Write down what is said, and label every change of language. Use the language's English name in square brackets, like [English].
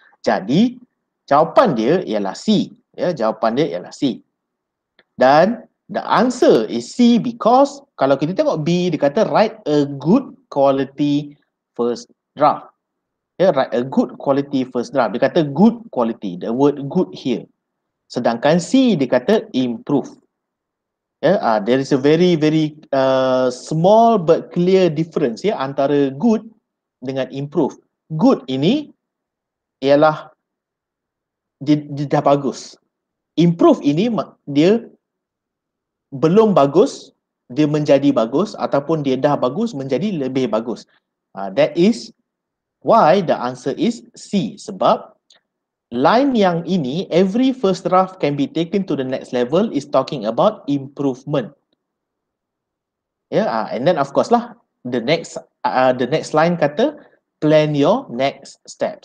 [Malay] Jadi, jawapan dia ialah C. Ya, jawapan dia ialah C. [English] Dan the answer is C because [Malay] kalau kita tengok B, dia kata [English] write a good quality first draft. Ya, write a good quality first draft. [Malay] Dia kata [English] good quality, the word good here. [Malay] Sedangkan C, dia kata [English] improve. Yeah, there is a very very small but clear difference, ya, antara good dengan improve. [Malay] Good ini ialah dia dah bagus. Improve ini dia belum bagus, dia menjadi bagus ataupun dia dah bagus menjadi lebih bagus. [English] That is why the answer is C. [Malay] Sebab line yang ini, [English] every first draft can be taken to the next level, is talking about improvement. Yeah, and then of course lah, the next line kata, plan your next step.